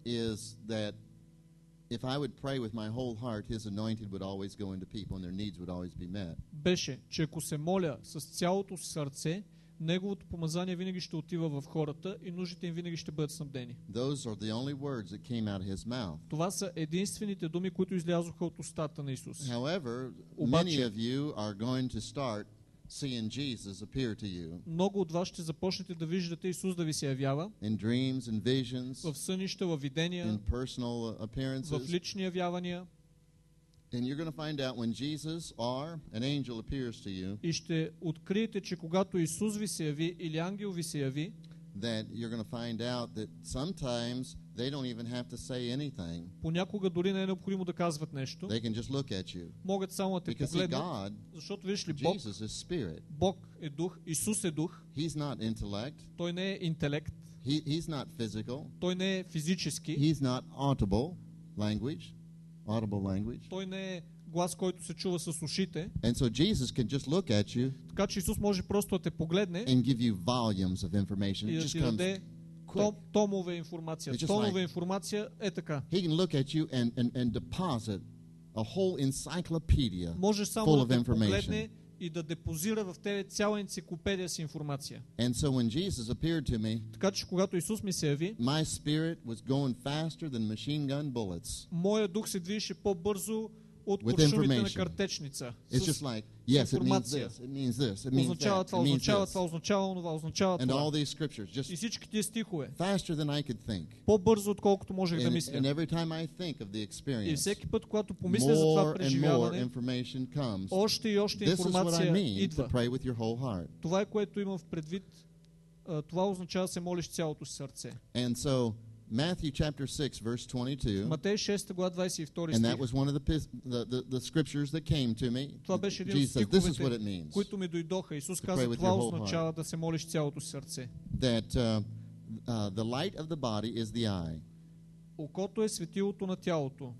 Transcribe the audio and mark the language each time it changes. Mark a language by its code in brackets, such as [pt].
[en] is that if I would pray with my whole heart, his anointed would always go into people and their needs would always be met. [bg] Беше, че ако се моля с цялото си сърце, неговото помазание винаги ще отива в хората и нуждите им винаги ще бъдат снабдени. [en] Those are the only words that came out of his mouth. [bg] Това са единствените думи, които излязоха от устата на Исус. [en] However, many of you are going to start seeing Jesus appear to you. [bg] Много от вас ще започнете да виждате Исус да ви се явява. [en] In dreams and visions. [bg] В сънища, в видения. [en] In personal appearances. [bg] В лични явявания. [en] And you're going to find out when Jesus or an angel appears to you. [bg] И ще откриете, че когато Исус ви се яви или ангел ви се яви, [en] that you're going to find out that sometimes they don't even have to say anything. [bg] Понякога дори не е необходимо да казват нещо. [en] They can just look at you. [bg] Могат само да те погледнат. [en] Because God, [bg] защото видиш ли, Бог, [en] Jesus is spirit. [bg] Бог е дух, Исус е дух. [en] He's not intellect. [bg] Той не е интелект. [en] He's not physical. [bg] Той не е физически. [en] He's not audible language. Audible language. [bg] Той не е глас, който се чува с ушите. [en] And so Jesus can just look at you. [bg] Така че Исус може просто да те погледне. [en] And give you volumes of information. It just comes. [bg] Томове информация. Томове [en] like, [bg] информация е така. [en] He can look at you and deposit a whole encyclopedia full of information. [bg] Може само да погледне и да депозира в тебе цяла енциклопедия с информация. [en] And so when Jesus appeared to me, [bg] така че когато Исус ми се яви, [en] my spirit was going faster than machine gun bullets. [bg] Моя дух се движеше по-бързо от куршумите на картечница. [en] It's just like, yes, it means this, it means this, it means [bg] означава [en] that, [bg] това, [en] it means [bg] означава [en] this. [bg] Това, означава това, означава [en] and [bg] това. [en] All these scriptures, just [bg] и всички тия стихове. [en] Faster than I could think. [bg] По-бързо, отколкото можех да мисля. [en] And every time I think of the experience, [bg] и всеки път, когато помисля за това преживяване, още и още информация идва. [en] To pray with your whole heart. [bg] Това е, което имам в предвид. Това означава се молиш цялото си сърце. [en] And so, Matthew chapter 6 verse 22. [bg] Матей 6 глава 22 стих. [en] And that was one of the scriptures that came to me. [bg] Това беше един [en] Jesus [bg] стиховете, [en] this is what it means. [bg] Които ми дойдоха. Исус каза, това означава да се молиш цялото сърце. [en] That the light of the body is the eye. [bg] Окото е светилото на тялото.